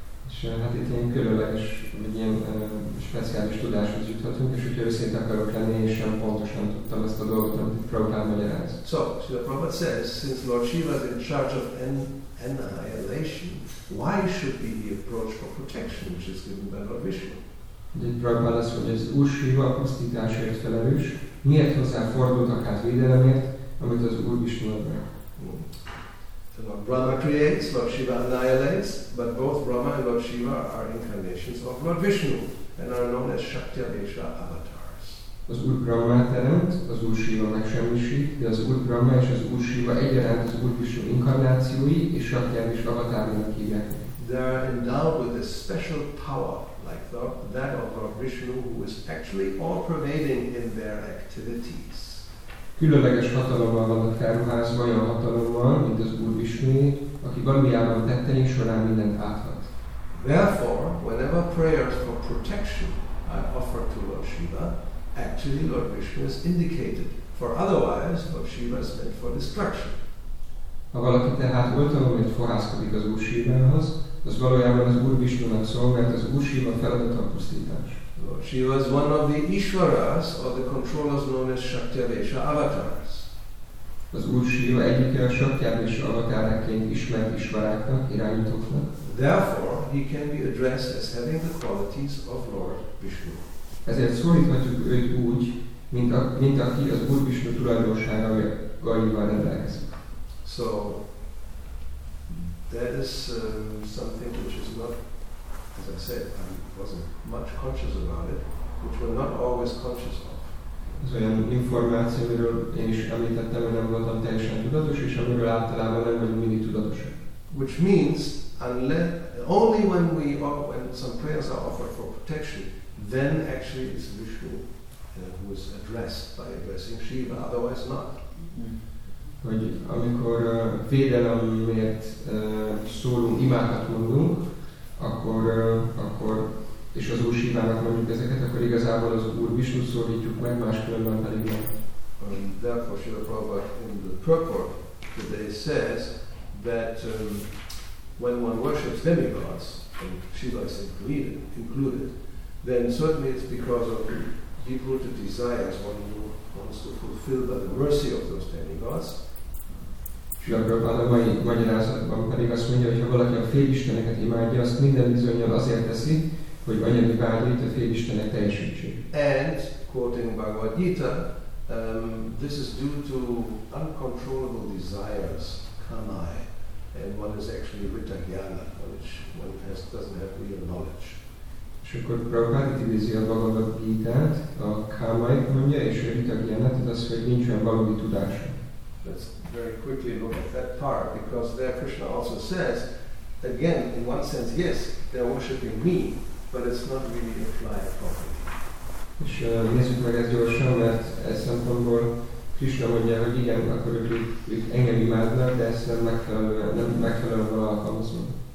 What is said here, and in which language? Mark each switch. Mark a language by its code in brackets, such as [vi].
[hu] És hát itt ilyen különleges, vagy ilyen speciális tudáshoz juthatunk, és hogyha őszinte akarok lenni, és sem pontosan tudtam ezt a dolgot, amit itt Prabhupád magyaráz. [en] So, Srila Prabhupada says, since Lord Shiva is in charge of annihilation, why should be the approach for protection, which is given by Lord Vishnu? [hu] De itt Prabhupád azt mondja, hogy az Úr Shiva pusztításért felelős, miért hozzáfordultak át védelemért, amit az Úr Vishnu ad meg? [en] Lord Brahma creates, Lord Shiva annihilates, but both Brahma and Lord Shiva are incarnations of Lord Vishnu and are known as Shaktyavesha avatars. [hu] Az Úr Brahma teremt, az Úr Shiva megsemmisít, de az Úr Brahma és az Úr Shiva egyaránt az Úr Vishnu inkarnációi és Shaktyavesha avatárnak hívják. [en] They are endowed with a special power like that of Lord Vishnu, who is actually all-pervading in their activities. [hu] Különleges hatalommal vannak felruházva, olyan hatalommal, mint az Úr Vishnué, aki valójában tettein során mindent áthat. [en] Therefore, whenever prayers for protection are offered to Lord Shiva, actually Lord Vishnu is indicated, for otherwise Lord Shiva is meant for destruction. [hu] Ha valaki tehát oltalomért fohászkodik az Úr Shivához, az valójában az Úr Vishnunak szolgált, az Úr Shiva feladata a pusztítás. [en] She was one of the Ishwaras, or the controllers known as Shaktyavesha avatars. [hu] Az Úr Shiva egyike a Shaktyavesha avatáraként ismert Ishvaráknak, irányítóknak. [en] Therefore, he can be addressed as having the qualities of Lord Vishnu. [hu] Ezért szólíthatjuk őt úgy, mint aki az Úr Vishnu tulajdonságaival rendelkezik. [en] So, that is something which is not, as I said, wasn't much conscious about it, which we're not always conscious of. [hu] Ez olyan információ, amiről én is említettem, hogy nem voltam teljesen tudatos, és amiről általában nem vagyunk mindig tudatosak. [en] Which means, only when we offer, when some prayers are offered for protection, then actually it's Vishnu who is addressed by addressing Shiva, otherwise not. [hu] Hogy amikor védelemért szólunk, imákat mondunk, akkor és az Úr Shivának mondjuk ezeket, akkor igazából az Úr Vishnu szólítjuk meg, máskülönben pedig nem. [en] Therefore, Srila Prabhupada in the purport today says that when one worships demigods, and Shiva is included, then certainly it's because of deep-rooted desires one wants to fulfill by the mercy of those demigods. [hu] Srila Prabhupada mai magyarázatban pedig azt mondja, hogy ha valaki a félisteneket imádja, azt minden bizonnyal azért teszi, hogy anyagi vágyait a félistenek teljesítsék. [en] And, quoting Bhagavad Gita, this is due to uncontrollable desires, kamai, and one is actually vitagyana, which one has, doesn't have real knowledge. [hu] És akkor Prabhupada idézi a Bhagavad Gita-t, a kamai mondja, és a vitagyana, tehát az, hogy nincs olyan valódi tudása. [en] Let's very quickly look at that part, because there Krishna also says, again, in one sense, yes, they're worshipping me, but it's not really implied properly. [hu] És nézzük meg ezt gyorsan, mert ez szempontból Krishna mondja, hogy igen, akkor ők engem imádnak, de ezt nem megfelelően alkalmazom.